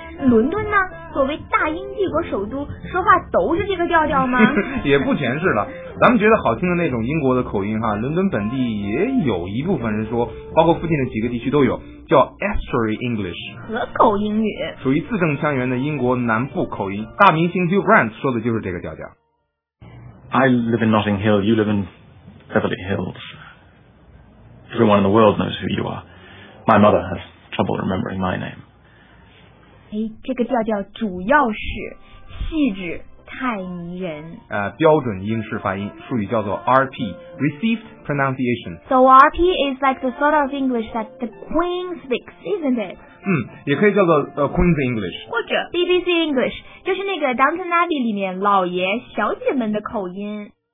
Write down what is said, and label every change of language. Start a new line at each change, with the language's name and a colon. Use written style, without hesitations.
Chinese: 伦敦呢，作为大英帝国首都，说话都是这个调调吗？也不全是了，咱们觉得好听的那种英国的口音哈，伦敦本地也有一部分人说，包括附近的几个地区都有，叫 Estuary English 河口英语，属于字正腔圆的英国南部口音。大明星 Hugh Grant 说的就是这个调调。
English: I live in Notting Hill, you live in Beverly Hills. Everyone in the world knows who you are. My mother has trouble remembering my name.
Chinese: 哎，这个调调主要是气质太迷人。标准英式发音，术语叫做 RP, Received Pronunciation.
English: So RP is like the sort of English that the Queen speaks, isn't it?
Chinese: 也可以叫做Queen's English, 或者 BBC English, 就是那个 Downton Abbey 里面老爷小姐们的口音。